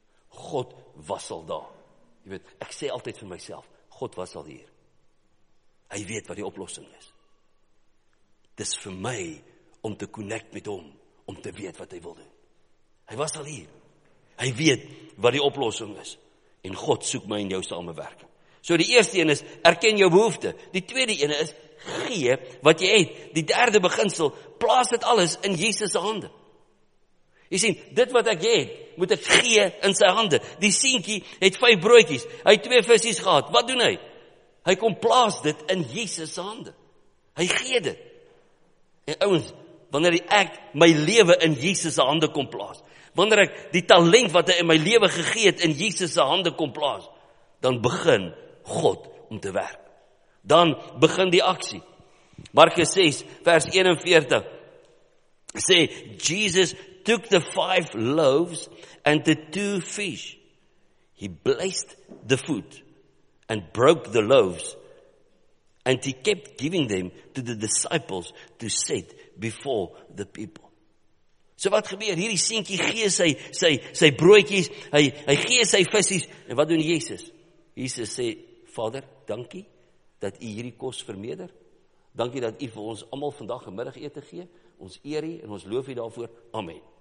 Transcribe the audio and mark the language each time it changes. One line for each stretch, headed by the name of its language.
Afrikaans: God was al daar. Jy weet, ek sê altyd vir myself, God was al hier. Hy weet wat die oplossing is. Dis vir my om te connect met hom, om te weet wat hy wil doen. Hy was al hier. Hy weet wat die oplossing is. En God soek my en jou samenwerking. So die eerste een is, erken jou behoefte. Die tweede een is, gee wat jy het. Die derde beginsel, plaas dit alles in Jesus' hande. Jy sien, dit wat ek het, moet ek gee in sy hande. Die seentjie het 5 broodjies. Hy het 2 visjies gehad. Wat doen hy? Hy kom plaas dit in Jesus' hande. Hy gee dit. En ouwens, wanneer ek my lewe in Jesus' hande kom plaas, wanneer ek die talent wat hy in my lewe gegee het in Jesus' hande kom plaas, dan begin God om te werk. Dan begin die aksie. Markus 6 vers 41 sê,
English: Jesus took the 5 loaves and the 2 fish. He blessed the food and broke the loaves, and he kept giving them to the disciples to set before the people.
Afrikaans: So wat gebeur? Hierdie seentjie gee sy broodjies, hy gee sy visies, en wat doen Jesus? Jesus sê, Vader, dankie dat u hierdie kos vermeerder. Dankie dat u vir ons allemaal vandag een middagete gee. Ons eer u en ons loof u daarvoor. Amen.